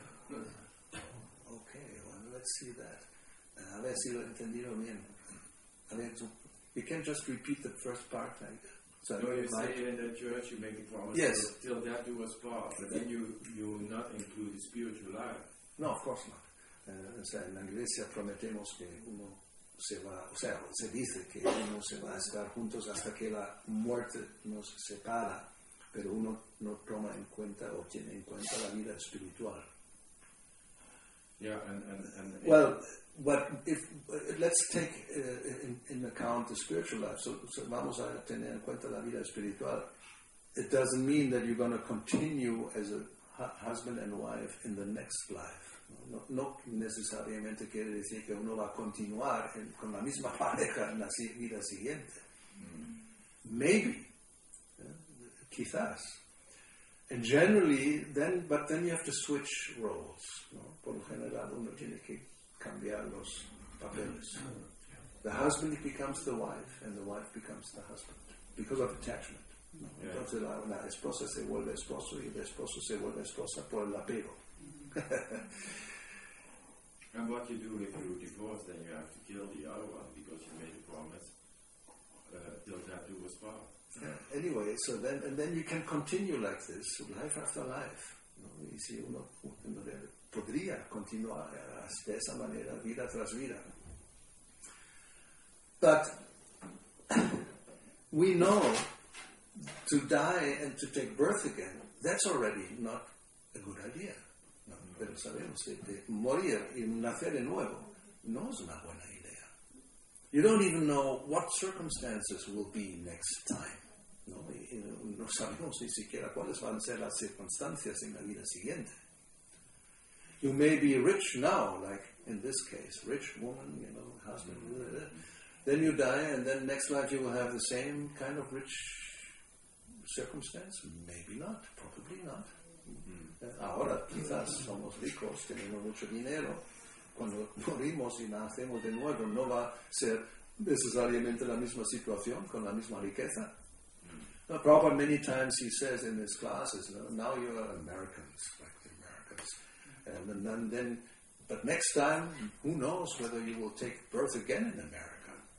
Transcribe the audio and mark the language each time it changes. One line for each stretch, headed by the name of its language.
English: Okay, well, let's see that.
Spanish: A ver si lo he entendido bien. A ver,
English: so you can just repeat the first part. Like, so no, you say like, in the church you make a promise, yes, till death do us part, but then you will not include the spiritual life. No, of course not.
Spanish: O sea, en la iglesia prometemos que uno se va, o sea, se dice que uno se va a estar juntos hasta que la muerte nos separa, pero uno no toma en cuenta o tiene en cuenta la vida espiritual. Yeah, and
English: well, but if let's take in account the spiritual life, so
Spanish: vamos a tener en cuenta la vida espiritual.
English: It doesn't mean that you're going to continue as a husband and wife in the next life.
Spanish: No necesariamente quiere decir que uno va a continuar con la misma pareja en la vida siguiente. Mm-hmm. Maybe, yeah, quizás.
English: And generally, then you have to switch roles. No?
Spanish: Por lo general, uno tiene que cambiar los papeles.
English: The husband becomes the wife, and the wife becomes the husband, because of attachment. No? Yeah.
Spanish: Entonces, la esposa se vuelve esposo, y el esposo se vuelve esposa por el apego.
English: And what you do if you divorce, then you have to kill the other one because you made a promise till death do us part. Anyway, so then you can continue like this, life after life. No?
Spanish: Y si uno podría continuar de esa manera, vida tras vida.
English: But we know to die and to take birth again, that's already not a good idea.
Spanish: Pero sabemos que de morir y nacer de nuevo no es una buena idea.
English: You don't even know what circumstances will be next time.
Spanish: No, no sabemos ni siquiera cuáles van a ser las circunstancias en la vida siguiente.
English: You may be rich now, like in this case, rich woman, you know, husband. Mm-hmm. Blah, blah, blah. Then you die, and then next life you will have the same kind of rich circumstance. Maybe not. Probably not.
Spanish: Ahora quizás somos ricos, tenemos mucho dinero. Cuando morimos y nacemos de nuevo, no va a ser necesariamente la misma situación con la misma riqueza.
English: No, Prabhupada many times he says in his classes, no, now you are Americans, like the Americans. And then, but next time, who knows whether you will take birth again in America.